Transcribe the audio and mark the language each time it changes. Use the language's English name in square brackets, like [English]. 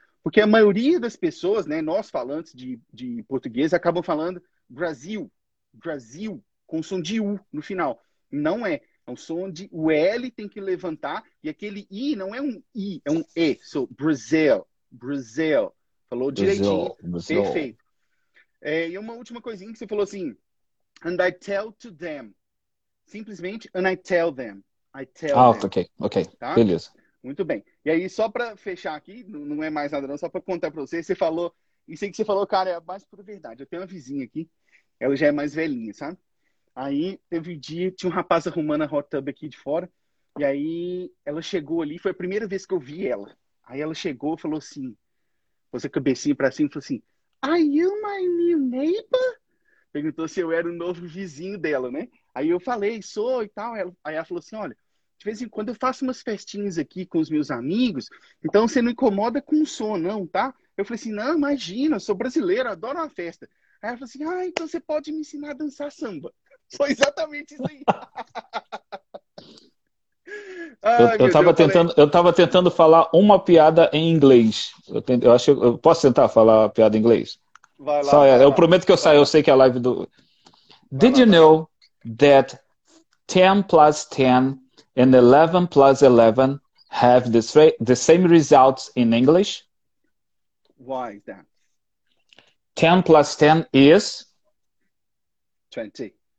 [Portuguese] Porque a maioria das pessoas, né, nós falantes de português, acabam falando Brasil, Brasil, com som de U no final. Não é. É um som de... O L tem que levantar e aquele I não é um I, é um E. [English] So, Brazil, Brazil. [Portuguese] Falou direitinho. [English] Brazil, Brazil. Perfeito. [Portuguese] É, e uma última coisinha que você falou assim, [English] and I tell to them. [Portuguese] Simplesmente, [English] and I tell them. I tell [Portuguese] them. Ah, ok, ok. Tá? Beleza. Muito bem. E aí, só para fechar aqui, não é mais nada, não, só para contar para você, você falou, isso aí que você falou, cara, é a base pura verdade. Eu tenho uma vizinha aqui, ela já é mais velhinha, sabe? Aí, teve um dia, tinha um rapaz arrumando a hot tub aqui de fora, e aí ela chegou ali, foi a primeira vez que eu vi ela. Aí ela chegou e falou assim, pôs a cabecinha para cima e falou assim, [English] are you my new neighbor? [Portuguese] Perguntou se eu era o novo vizinho dela, né? Aí eu falei, sou e tal. Aí ela falou assim, olha, de vez em quando eu faço umas festinhas aqui com os meus amigos, então você não incomoda com o som, não, tá? Eu falei assim, não, imagina, eu sou brasileiro, adoro uma festa. Aí ela falou assim, ah, então você pode me ensinar a dançar samba. Foi exatamente isso aí. Eu tava tentando falar uma piada em inglês. Eu posso tentar falar a piada em inglês? Vai lá. Só, vai eu lá. Prometo que eu saio, eu sei que é a live do... [English] Did you know that 10 plus 10 and 11 plus 11 have the same results in English? Why is that? 10 plus 10 is? 20.